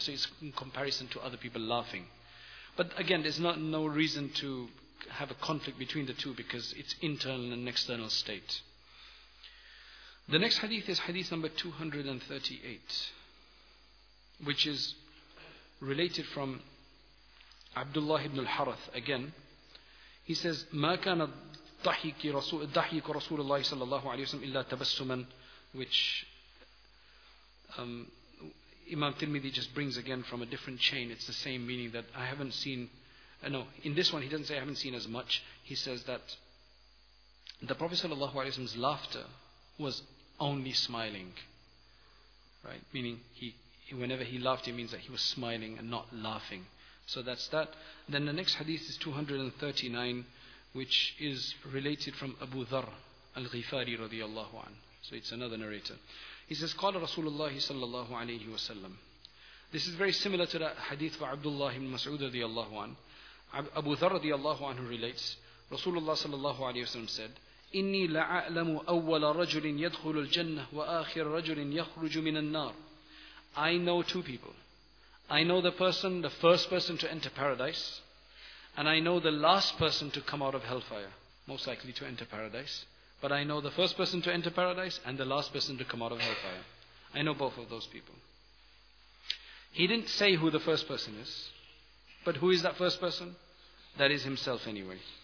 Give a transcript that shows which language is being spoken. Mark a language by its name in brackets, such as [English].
[English] So it's in comparison to other people laughing. But again, there's no reason to have a conflict between the two, because it's internal and external state. The next hadith is hadith number 238, which is related from Abdullah ibn al-Harith. Again, he says, [Arabic] ما كان ضحك رسول الله صلى الله عليه وسلم إلا تبسما, [English] which Imam Tirmidhi just brings again from a different chain. It's the same meaning that I haven't seen. No, in this one he doesn't say I haven't seen as much. He says that the Prophet sallallahu alaihi wasallam's laughter was only smiling. Right? Meaning he whenever he laughed, it means that he was smiling and not laughing. So that's that. Then the next hadith is 239, which is related from Abu Dharr al-Ghifari radiyallahu anhu. So it's another narrator. He says, [Arabic] قال رسول الله صلى الله عليه وسلم. [English] This is very similar to that hadith of Abdullah ibn Mas'ud radiyallahu anhu. Abu Dharr radiyallahu anhu relates, Rasulullah [Arabic] صلى الله عليه وسلم [English] said, [Arabic] إني لأعلم أول رجل يدخل الجنة وآخر رجل يخرج من النار. [English] I know two people. I know the first person to enter paradise, and I know the last person to come out of hellfire, most likely to enter paradise. But I know the first person to enter paradise and the last person to come out of hellfire. I know both of those people. He didn't say who the first person is, but who is that first person? That is himself anyway.